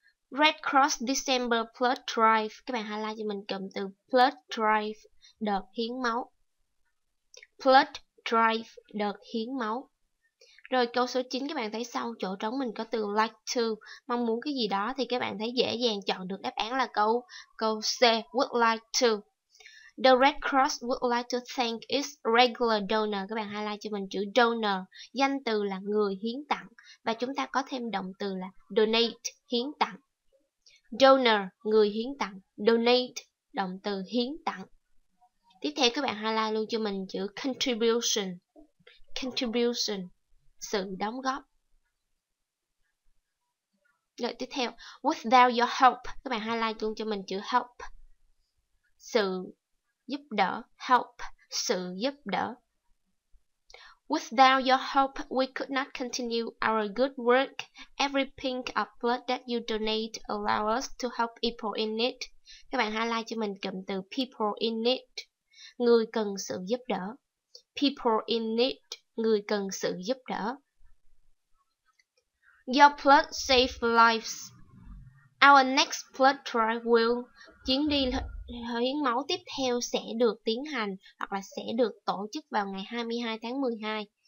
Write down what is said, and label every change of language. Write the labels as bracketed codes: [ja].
[vi] Red Cross December Blood Drive, các bạn highlight cho mình cụm từ Blood Drive, đợt hiến máu. Blood Drive, đợt hiến máu. Rồi câu số 9, các bạn thấy sau chỗ trống mình có từ like to, mong muốn cái gì đó thì các bạn thấy dễ dàng chọn được đáp án là câu C, [en] would like to. The Red Cross would like to thank its regular donor. [vi] Các bạn highlight cho mình chữ donor, danh từ là người hiến tặng. Và chúng ta có thêm động từ là donate, hiến tặng. Donor, người hiến tặng. Donate, động từ hiến tặng. Tiếp theo các bạn highlight luôn cho mình chữ contribution. Contribution, sự đóng góp. Rồi tiếp theo, [en] without your help. [vi] Các bạn highlight luôn cho mình chữ help, sự giúp đỡ, help, sự giúp đỡ. [en] Without your help, we could not continue our good work. Every pink of blood that you donate allow us to help people in need. [vi] Các bạn highlight cho mình cụm từ people in need, người cần sự giúp đỡ. [en] People in need, [vi] người cần sự giúp đỡ. [en] Your blood saves lives. Our next blood drive will [vi] chuyến đi hiến máu tiếp theo sẽ được tiến hành hoặc là sẽ được tổ chức vào ngày 22 tháng 12.